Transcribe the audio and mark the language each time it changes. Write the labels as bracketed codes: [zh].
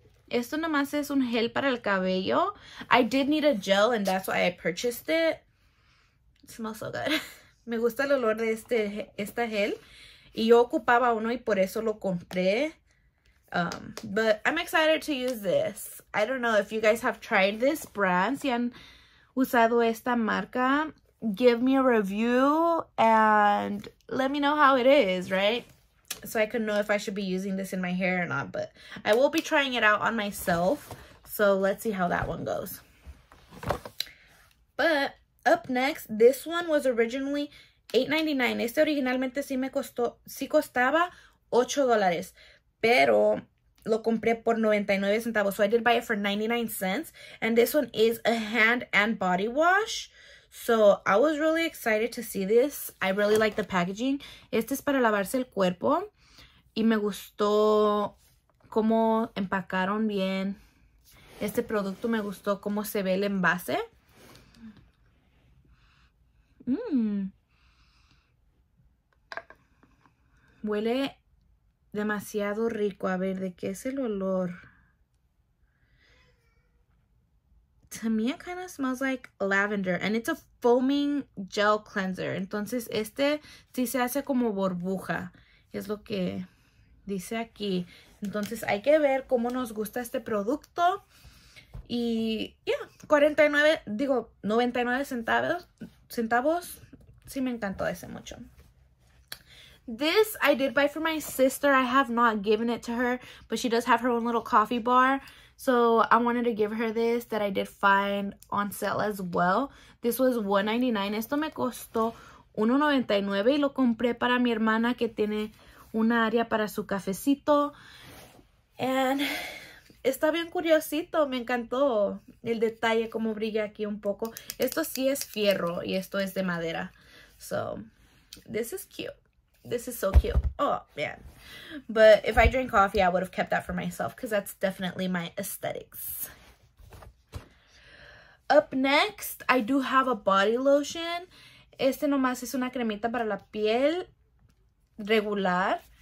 [es] Esto nomás es un gel para el cabello. [en] I did need a gel and that's why I purchased it. It smells so good. [es] Me gusta el olor de esta gel. Y yo ocupaba uno y por eso lo compré. [en] But I'm excited to use this. I don't know if you guys have tried this brand. [es] Si han usado esta marca, [en] give me a review and let me know how it is, right? So I can know if I should be using this in my hair or not. But I will be trying it out on myself. So let's see how that one goes. But next, this one was originally $8.99. [es] Este originalmente sí me costó, sí costaba $8, pero lo compré por 99 centavos. [en] So I did buy it for 99 cents. And this one is a hand and body wash. So I was really excited to see this. I really like the packaging. [es] Este es para lavarse el cuerpo. Y me gustó cómo empacaron bien este producto. Me gustó cómo se ve el envase. Huele demasiado rico. A ver, ¿de qué es el olor? [en] To me, it kind of smells like lavender. And it's a foaming gel cleanser. [es] Entonces, este sí se hace como burbuja. Es lo que dice aquí. Entonces, hay que ver cómo nos gusta este producto. Y, yeah, 49, digo, 99 centavos. Sí me encantó ese mucho. [en] This I did buy for my sister. I have not given it to her, but she does have her own little coffee bar. So I wanted to give her this that I did find on sale as well. This was $1.99. [es] Esto me costó $1.99 y lo compré para mi hermana que tiene una área para su cafecito. And está bien curiosito. Me encantó el detalle, cómo brilla aquí un poco. Esto sí es fierro y esto es de madera. [en] So this is cute. This is so cute. Oh, man. But if I drink coffee, I would have kept that for myself because that's definitely my aesthetics. Up next, I do have a body lotion. [es] Este nomás es una cremita para la piel regular.